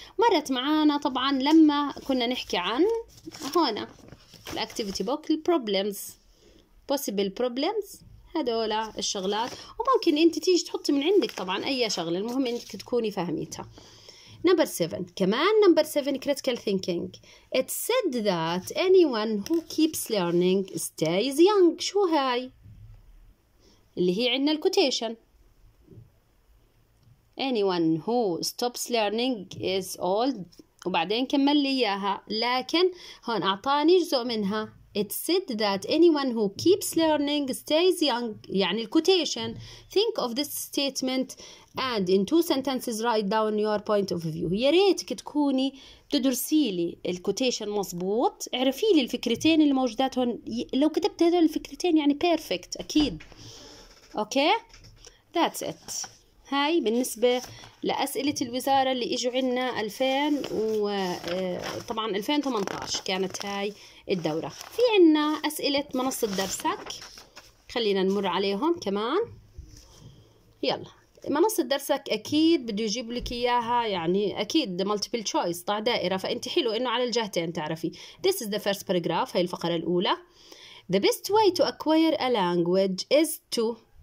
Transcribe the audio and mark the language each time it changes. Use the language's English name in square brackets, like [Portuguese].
[Arabic] مرت معانا طبعا لما كنا نحكي عن هنا الاكتيفيتي بوك البروبلمز بوسيبل بروبلمز هدول الشغلات. وممكن انت تيجي تحطي من عندك طبعا اي شغلة، المهم انك تكوني فهميتها. نمبر 7 كمان نمبر 7 critical thinking. [English] It said that anyone who keeps learning stays young. [Arabic] شو هاي اللي هي عندنا الكوتيشن؟ [English] Anyone who stops learning is old. [Arabic] وبعدين كمل لي إياها، لكن هون أعطاني جزء منها. [English] It said that anyone who keeps learning stays young. [Arabic] يعني الكوتيشن. [English] Think of this statement and in two sentences write down your point of view. [Arabic] يا ريتك تكوني تدرسي لي الكوتيشن مظبوط، اعرفي لي الفكرتين اللي موجودات هون. لو كتبت هذول الفكرتين يعني perfect أكيد. [English] Okay, that's it. [Arabic] هاي بالنسبة لأسئلة الوزارة اللي إجوا عنا 2000 وطبعا 2018 كانت هاي الدورة. في عنا أسئلة منصة درسك، خلينا نمر عليهم كمان. يلا منصة درسك أكيد بده يجيب لك إياها، يعني أكيد multiple choice طع دائرة، فأنت حلو إنه على الجهتين تعرفي. [English] This is the first paragraph، [Arabic] هاي الفقرة الأولى. [English] The best way to acquire a language is to.